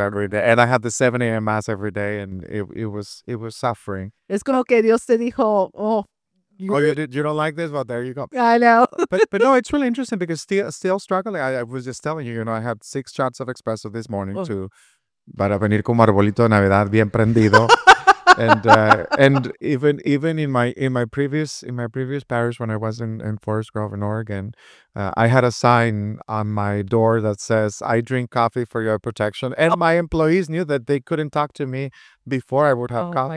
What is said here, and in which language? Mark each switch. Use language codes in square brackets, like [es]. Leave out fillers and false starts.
[en] every day. And I had the 7 a.m. mass every day, and it was suffering. [es] Es como que Dios te dijo, [en] You don't like this? Well, there you go. I know. but no, it's really interesting because still struggling. I was just telling you, I had 6 shots of espresso this morning too. [es] Para venir como arbolito de Navidad bien prendido. [en] and even in my previous parish when I was in Forest Grove in Oregon, I had a sign on my door that says, I drink coffee for your protection. And my employees knew that they couldn't talk to me before I would have coffee.